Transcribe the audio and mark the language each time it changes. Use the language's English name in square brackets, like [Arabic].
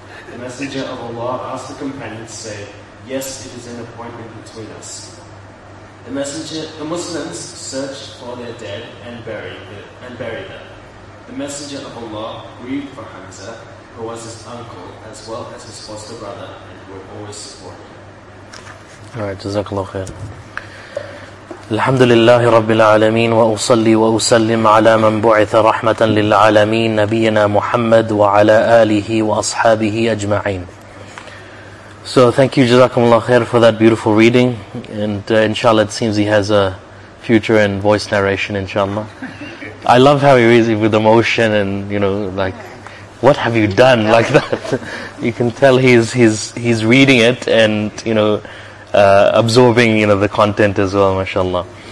[English] The Messenger of Allah asked the companions, say, "Yes, it is an appointment between us." The Muslims searched for their dead and buried them. The Messenger of Allah grieved for Hamza, who was his uncle, as well as his foster brother, and who would always support him. Alright, JazakAllah khair. [Arabic] الحمد لله رب العالمين وأصلي وأسلم على من بعث رحمة للعالمين نبينا محمد وعلى آله وأصحابه أجمعين. [English] So thank you JazakAllah khair for that beautiful reading, and inshallah it seems he has a future in voice narration inshallah. I love how he reads it with emotion, and you know, like, what have you done like that? You can tell he's reading it and you know, absorbing, you know, the content as well, mashallah.